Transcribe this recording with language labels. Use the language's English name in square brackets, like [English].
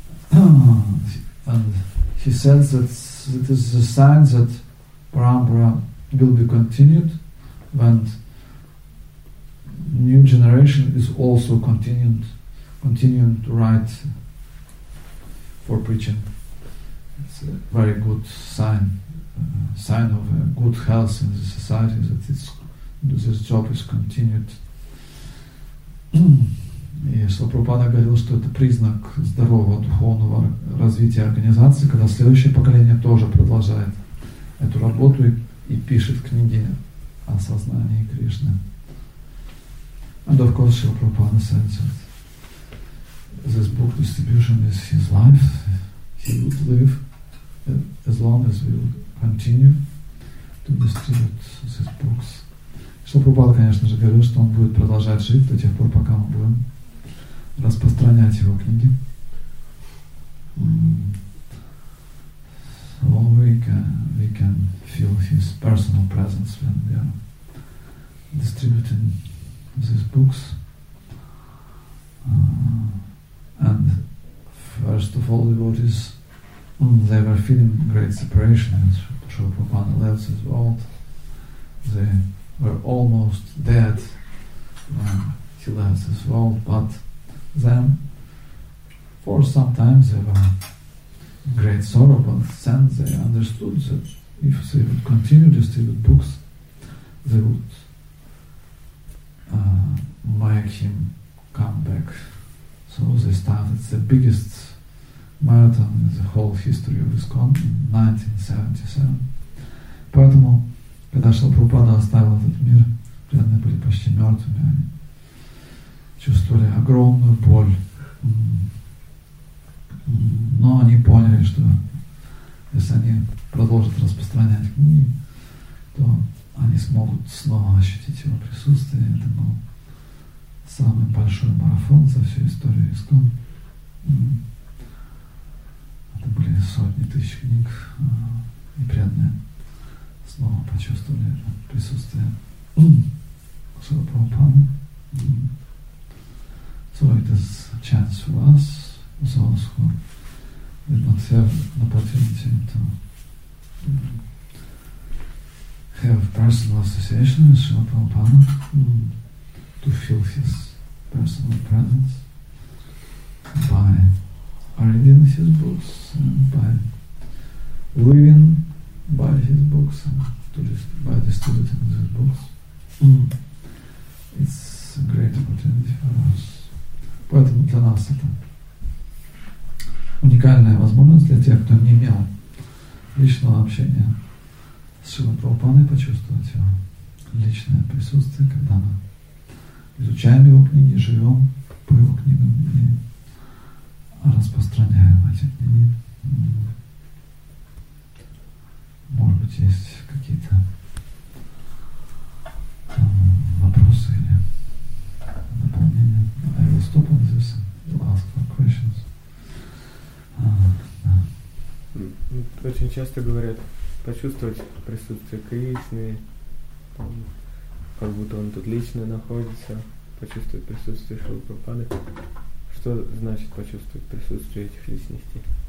[English] And he said that it is a sign that Parampara will be continued when new generation is also continuing to write for preaching. It's a very good sign of a good health in the society that this job is continued. [Russian] И Шрила Прабхупада говорил, что это признак здорового духовного развития организации, когда следующее поколение тоже продолжает эту работу и пишет книги о сознании Кришны. [English] And of course, Srila Prabhupada said that this book distribution is his life. He would live as long as we would continue to distribute these books. [Russian] Шрила Прабхупада, конечно же, говорил, что он будет продолжать жить до тех пор, пока мы будем распространять его книги. [English] So we can feel his personal presence when we are distributing these books. And first of all, devotees, they were feeling great separation as Srila Prabhupada left this world. They were almost dead when he left this world, but then for some time they were great sorrow, but then they understood that if they would continue distribute books, they would make him come back. So they started the biggest marathon in the whole history of ISKCON in 1977. [Russian] Поэтому, когда Шилпрупада оставил этот мир, преданные были почти мертвыми, они чувствовали огромную боль. Но они поняли, что если они продолжат распространять книги, то они смогут снова ощутить его присутствие. Это был самый большой марафон за всю историю ИСККОН. Это были сотни тысяч книг, и преданные снова почувствовали это присутствие Шрилы Прабхупады. [English] So it is a chance for us, those who did not have an opportunity to have personal association with Srila Prabhupada, to feel his personal presence by reading his books and by living by his books and by distributing his books. It's a great opportunity for us. [Russian] Поэтому для нас это уникальная возможность для тех, кто не имел личного общения с Шрилой Прабхупадой, почувствовать его личное присутствие, когда мы изучаем его книги, живем по его книгам и распространяем эти книги. Может быть, есть какие-то вопросы или дополнения. [English] I will stop on this and ask for questions. [Russian] Очень часто говорят, почувствовать присутствие Кришны, как будто он тут лично находится, почувствовать присутствие Шрилы Прабхупады. Что значит почувствовать присутствие этих личностей?